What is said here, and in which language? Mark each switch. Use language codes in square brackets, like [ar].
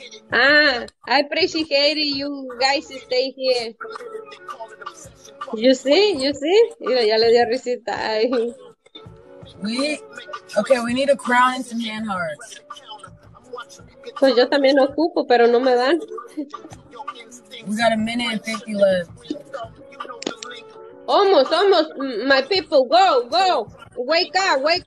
[en] Ah, I appreciate you guys stay here. You see? [es] Ya le dio risita. Ay. [en] We need a crown and some hand hearts. [es] Pues yo también ocupo, pero no me dan. [en] We got a minute and 50 left. Almost, my people, go, wake up.